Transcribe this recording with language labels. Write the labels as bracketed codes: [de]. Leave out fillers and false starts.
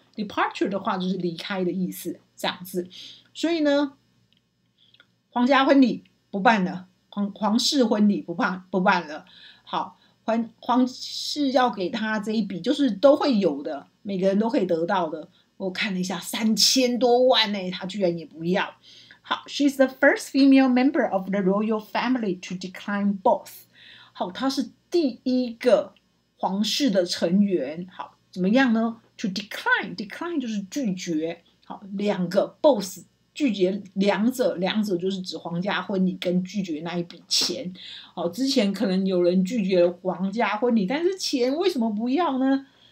[zh] departure 的话就是离开的意思，这样子。所以呢，皇家婚礼不办了， 皇室婚礼不办了。好， 皇室要给他这一笔，就是都会有的，每个人都可以得到的。我看了一下，3000多万、欸、他居然也不要。好， [en] She's the first female member of the royal family to decline both。 [zh] 好，她是第一个皇室的成员。好，怎么样呢？ [en] To decline， [zh] decline 就是拒绝。好，两个 both 拒绝两者就是指皇家婚礼跟拒绝那一笔钱。哦，之前可能有人拒绝了皇家婚礼，但是钱为什么不要呢？